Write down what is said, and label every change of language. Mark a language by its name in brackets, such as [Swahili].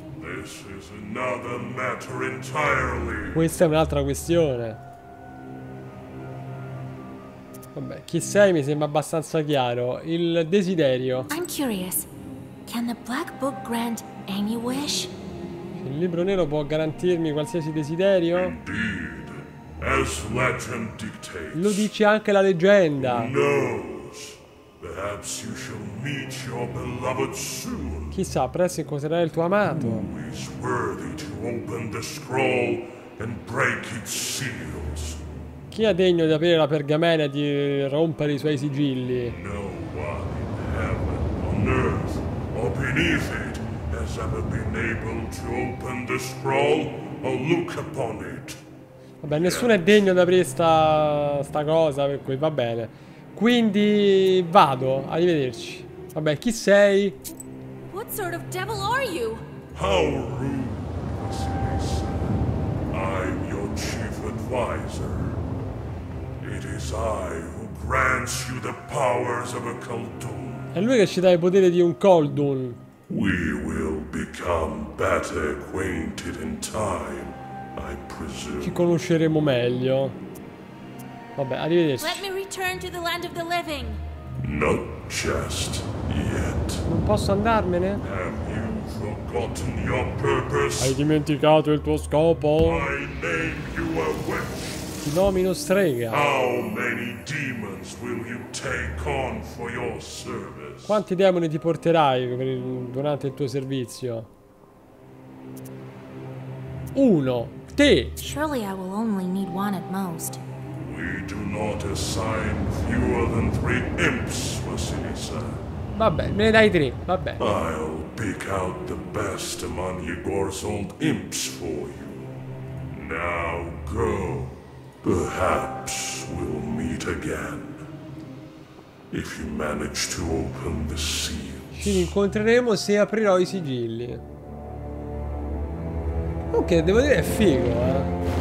[English] This is another matter entirely. [Italian] Questa è un'altra questione. Vabbè, chi sei mi sembra abbastanza chiaro. Il desiderio. [English] I'm curious. Can the black book grant any wish? [Italian] Il libro nero può garantirmi qualsiasi desiderio? [English] Indeed, as legend dictates. [Italian] Lo dice anche la leggenda. [English] Who knows? Perhaps you shall meet your beloved soon. [Italian] Chissà, presto incontrerai il tuo amato. [English] Who is worthy to open the scroll and break its seals? [Italian] Chi è degno di aprire la pergamena e di rompere i suoi sigilli? [English] No one in heaven, on earth, or beneath it has ever been able to open the scroll or look upon it. [Italian] Vabbè, nessuno è degno di aprire sta cosa, per cui va bene. Quindi vado, arrivederci. Vabbè, chi sei? [English] What sort of devil are you? How rude, Silissa. I'm your chief advisor. It is I who grants you the powers of a Khaldun. [Italian] È lui che ci dà i poteri di un Khaldun. [English] We will become better acquainted in time, I presume. [Italian] Ci conosceremo meglio. Vabbè, arrivederci. [English] Let me return to the land of the living. Not just yet. [Italian] Non posso andarmene? [English] Have you forgotten your purpose? [Italian] Hai dimenticato il tuo scopo? [English] I name you a witch. [Italian] Ti nomino strega. [English] How many demons will you take on for your service? [Italian] Quanti demoni ti porterai durante il tuo servizio? Uno. Te. [English] Surely I will only need one at most. We do not assign fewer than three imps, Vasilisa. [Italian] Vabbè, me ne dai tre, vabbè. [English] I'll pick out the best among Igor's old imps for you. Now go. Perhaps we'll meet again if you manage to open the seals. [Italian] Ci incontreremo se aprirò i sigilli. Ok, devo dire è figo, eh.